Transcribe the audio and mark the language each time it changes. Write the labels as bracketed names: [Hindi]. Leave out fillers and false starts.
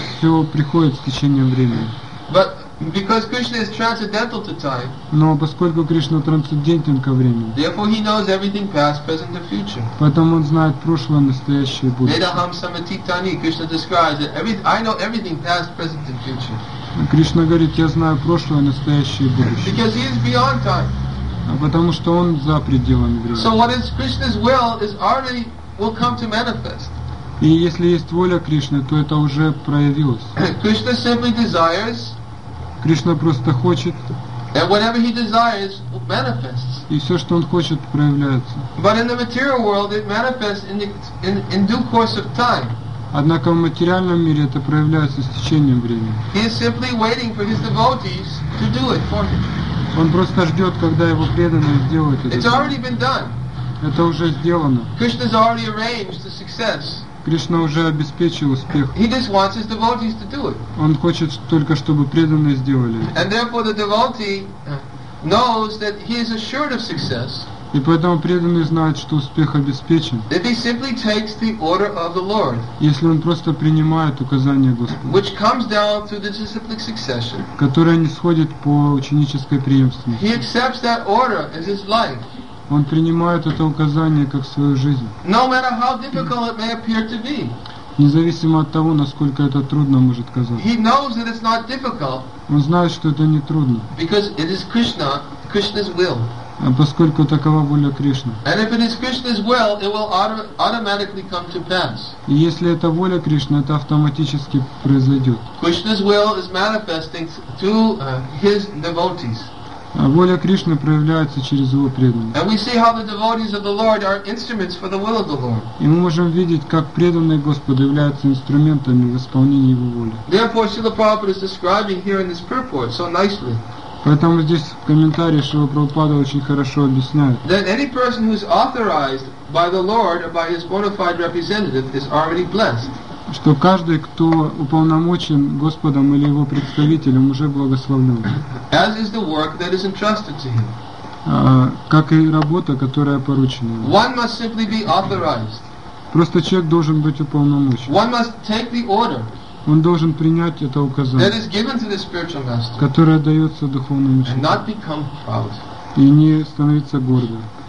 [Russian] Все приходит с течением времени. [English] But because Krishna is transcendental to time. [Russian] Но поскольку Кришна трансцендентен ко времени. [English] Therefore he knows everything past, present and future. [Russian] Поэтому он знает прошлое, настоящее и будущее. [Sanskrit] Vedaham samatitani, [English] Krishna describes that I know everything past, present and future. [Russian] Кришна говорит, я знаю прошлое, настоящее и будущее. [English] Because he is beyond time. [Russian] Потому что он за пределами времени. [English] So what is Krishna's will is already will come to manifest. [Russian] И если есть воля Кришны, то это уже проявилось. [English] Krishna simply desires. [Russian] Кришна просто хочет. [English] And whatever he desires manifests. [Russian] И все, что он хочет, проявляется. [English] But in the material world it manifests in due course of time. [Russian] Однако в материальном мире это проявляется с течением времени. [English] He is simply waiting for his devotees to do it for him. [Russian] Он просто ждет, когда его преданные сделают это. [English] It's already been done. [Russian] Это уже сделано. [English] Krishna has already arranged the success. [Russian] Кришна уже обеспечил успех. [English] He just wants his devotees to do it. [Russian] Он хочет только, чтобы преданные сделали это. [English] And therefore the devotee knows that he is assured of success. [Russian] И поэтому преданный знает, что успех обеспечен. [English] If he simply takes the order of the Lord. [Russian] Если он просто принимает указания Господа. [English] Which comes down through the disciplic succession. [Russian] Которое нисходит по ученической преемственности. [English] He accepts that order as his life. [Russian] Он принимает это указание как свою жизнь. [English] No matter how difficult it may appear to be. [Russian] Независимо от того, насколько это трудно может казаться. [English] He knows that it's not difficult. [Russian] Он знает, что это не трудно. [English] Because it is Krishna, Krishna's will. [Russian] Поскольку такова воля Кришны. [English] And if it is Krishna's will, it will automatically come to pass. [Russian] И если это воля Кришны, это автоматически произойдет. [English] Krishna's will is manifesting to his devotees. [Russian] Воля Кришны проявляется через его преданных. [English] And we see how the devotees of the Lord are instruments for the will of the Lord. [Russian] И мы можем видеть, как преданные Господу являются инструментами в исполнении его воли. [English] Therefore, Srila Prabhupada is describing here in this purport so nicely. [Russian] Поэтому здесь в комментарии Шрила Прабхупада очень хорошо объясняет. [English] That any person who is authorized by the Lord or by his bona fide representative is already blessed. [Russian] Что каждый, кто уполномочен Господом или его представителем, уже благословлен. [English] As is the work that is entrusted to him. [Russian] Как и работа, которая поручена. [English] One must simply be authorized. [Russian] Просто человек должен быть уполномочен. [English] One must take the order. [Russian] Он должен принять это указание, [English] that is given to the spiritual master, [Russian] которое дается духовному учителю, [English] and not become proud. [Russian] И не становиться гордым.